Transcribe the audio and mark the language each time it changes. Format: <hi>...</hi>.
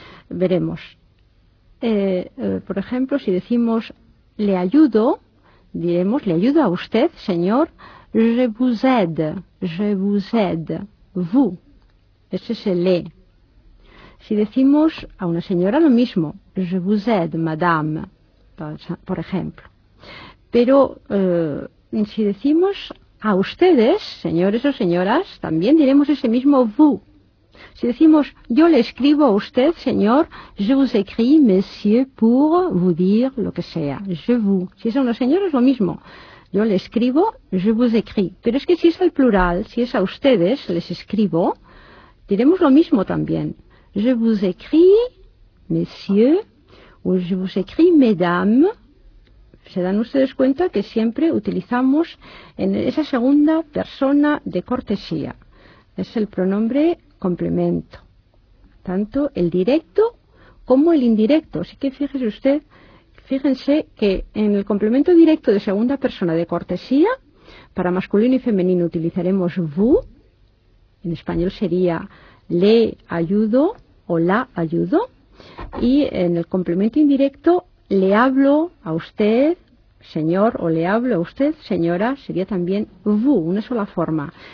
<es>Veremos. Por ejemplo, si decimos, le ayudo, diremos, le ayudo a usted, señor,</es> <fr>je vous aide, vous.</fr> <es>Ese es el le. Si decimos a una señora lo mismo,</es> <fr>je vous aide, madame,</fr> <es>por ejemplo. Pero si decimos a ustedes, señores o señoras, también diremos ese mismo vous. Si decimos, yo le escribo a usted, señor,</es> <fr>je vous écris, monsieur, pour vous dire</fr> <es>lo que sea,</es> <fr>je vous.</fr> <es>Si es a una señora es lo mismo, yo le escribo,</es> <fr>je vous écris.</fr> <es>Pero es que si es al plural, si es a ustedes, les escribo, diremos lo mismo también.</es> <fr>Je vous écris, monsieur, o je vous écris, mesdames.</fr> <es>¿Se dan ustedes cuenta que siempre utilizamos en esa segunda persona de cortesía? Es el pronombre complemento, tanto el directo como el indirecto. Así que fíjese usted, fíjense que en el complemento directo de segunda persona de cortesía, para masculino y femenino utilizaremos vous, en español sería le ayudo o la ayudo, y en el complemento indirecto le hablo a usted, señor, o le hablo a usted, señora, sería también vous, una sola forma.</es>